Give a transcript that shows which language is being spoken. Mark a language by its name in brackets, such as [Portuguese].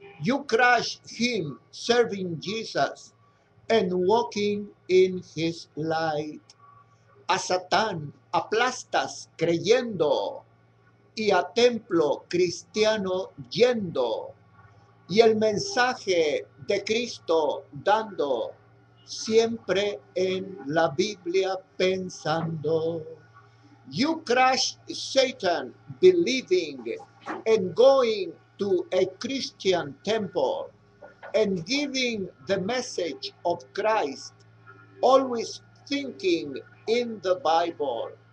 [English] You crush him serving Jesus and walking in his light. [Spanish] A Satán aplastas creyendo y a templo cristiano yendo y el mensaje de Cristo dando siempre en la Biblia pensando. [English] You crush Satan believing and going to a Christian temple and giving the message of Christ, always thinking in the Bible.